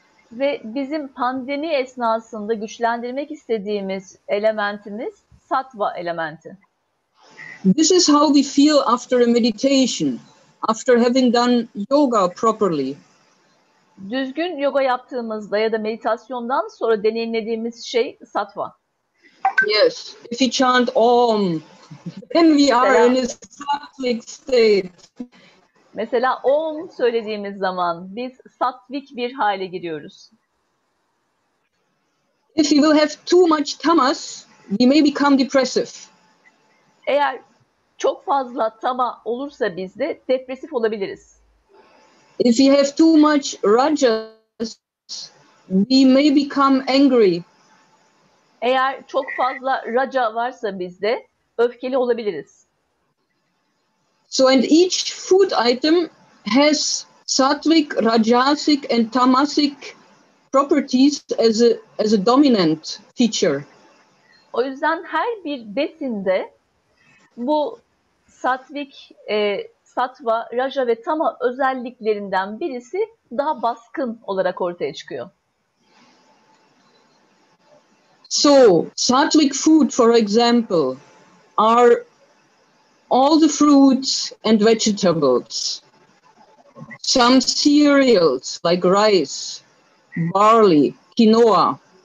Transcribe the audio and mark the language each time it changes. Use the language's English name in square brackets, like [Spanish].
[Turkish] Ve bizim pandemi esnasında güçlendirmek istediğimiz elementimiz sattva elementi. [English] This is how we feel after a meditation, after having done yoga properly. [Turkish] Düzgün yoga yaptığımızda ya da meditasyondan sonra deneyimlediğimiz şey sattva. [English] Yes, if we chant om, then we are in a sattvic state. [Turkish] Mesela om söylediğimiz zaman biz sattvik bir hale giriyoruz. [English] If you will have too much tamas, we may become depressive. [Turkish] Eğer çok fazla tama olursa bizde depresif olabiliriz. [English] If you have too much rajas, we may become angry. [Turkish] Eğer çok fazla raja varsa bizde öfkeli olabiliriz. [English] So and each food item has sattvic, rajasic and tamasic properties as a dominant feature. [Turkish] O yüzden her bir besinde bu sattvic, sattva, raja ve tama özelliklerinden birisi daha baskın olarak ortaya çıkıyor. [English] So sattvic food, for example, are all the fruits and vegetables, some cereals like rice, barley, quinoa.